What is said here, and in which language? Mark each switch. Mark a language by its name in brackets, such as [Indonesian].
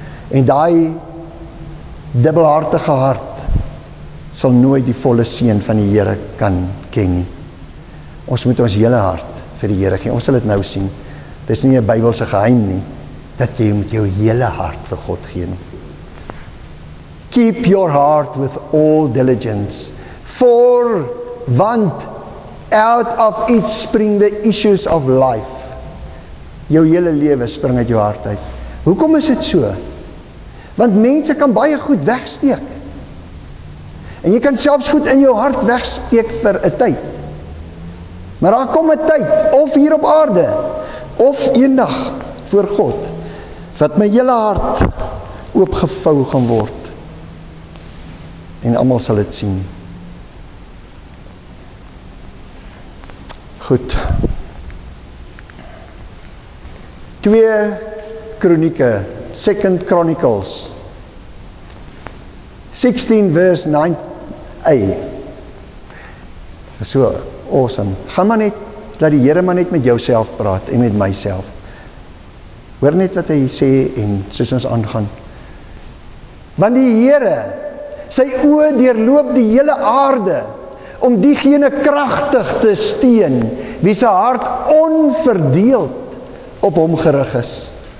[Afrikaans] En die dubbelhartige hart sal nooit die volle seën van die Here kan ken nie. Ons moet ons hele hart vir die Here gee. Ons sal dit nou sien. Dit is nie 'n Bybelse geheim nie, dat jy met jou hele hart vir God gee nie. [English] Keep your heart with all diligence. For, want, out of it spring the issues of life. [Afrikaans] Jou hele leven spring uit jou hart uit. Hoekom is het so? Want mense kan baie goed wegsteek. En jy kan selfs goed in jou hart wegsteek vir 'n tyd. Maar daar kom 'n tyd, of hier op aarde, of eendag voor God, wat my hele hart oopgevou gaan word. En allemaal sal het sien. Goed. 2 Kronieke, 2 Chronicles 16 vers 9a. [English] So awesome. [Afrikaans] Gaan maar net, laat die Here maar net met jouself praat en met myself. Hoor net wat hy sê en soos ons aangaan. Want die Here, sy oë deurloop die hele aarde om diegene kragtig te steen wie sy hart onverdeeld op hom gerig is.